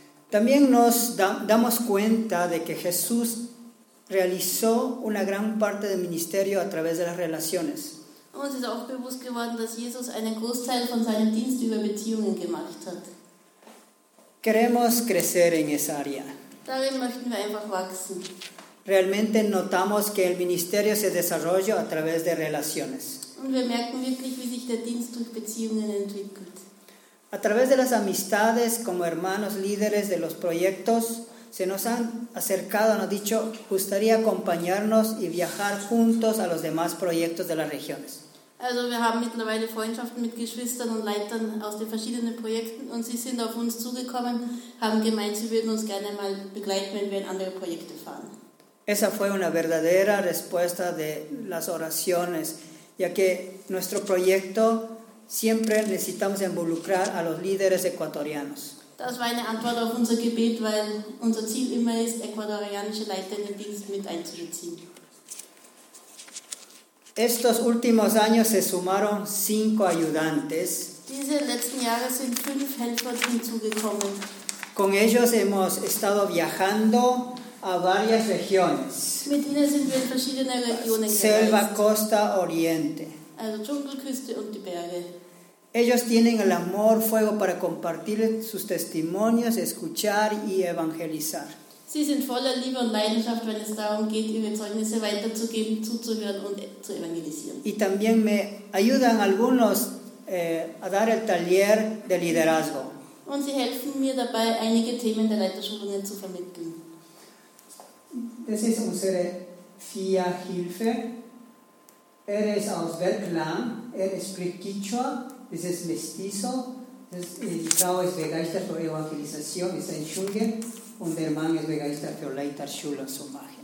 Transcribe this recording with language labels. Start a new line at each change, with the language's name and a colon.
Spanish: También nos damos cuenta de que Jesús realizó una gran parte del ministerio a través de las relaciones.
German: Uns ist auch bewusst geworden, dass Jesus einen Großteil von seinem Dienst über Beziehungen gemacht hat.
Spanish: Queremos crecer en esa área.
German: Darin möchten wir einfach wachsen.
Spanish: Realmente notamos que el ministerio se desarrolla a través de relaciones.
German: Und wir merken wirklich, wie sich der Dienst durch Beziehungen entwickelt.
Spanish: A través de las amistades como hermanos líderes de los proyectos se nos han acercado, nos han dicho, gustaría acompañarnos y viajar juntos a los demás proyectos de las regiones.
German: Also wir haben mittlerweile Freundschaften mit Geschwistern und Leitern aus den verschiedenen Projekten und sie sind auf uns zugekommen, haben gemeint, sie würden uns gerne mal begleiten, wenn wir in andere Projekte fahren.
Spanish: Esa fue una verdadera respuesta de las oraciones, ya que nuestro proyecto siempre necesitamos involucrar a los líderes ecuatorianos.
German: Das war eine Antwort auf unser Gebet, weil unser Ziel immer ist, ecuadorianische Leiter in den Dienst mit einzubeziehen.
Spanish: Estos últimos años se sumaron 5 ayudantes.
German: Diese letzten Jahre sind 5 Helfer hinzugekommen.
Spanish: Con ellos hemos estado viajando a varias regiones.
German: Mit ihnen sind wir in verschiedene Regionen gereist.
Spanish: Selva, Costa, Oriente.
German: Also Dschungelküste und die Berge.
Spanish: Ellos tienen el amor, fuego para compartir sus testimonios, escuchar y evangelizar.
German: Sie sind voller Liebe und Leidenschaft, wenn es darum geht, ihre Zeugnisse weiterzugeben, zuzuhören und zu evangelisieren.
Spanish: Y también me ayudan algunos a dar el taller de liderazgo.
German: Und sie helfen mir dabei, einige Themen der Leiterschulungen zu vermitteln. Das ist unsere FIA-Hilfe. Er ist aus Wetland, er spricht Quichua, das ist Mestizo, die Frau ist begeistert für Evangelisation, ist ein Schulge, und der Mann ist begeistert für Leiterschule zu machen.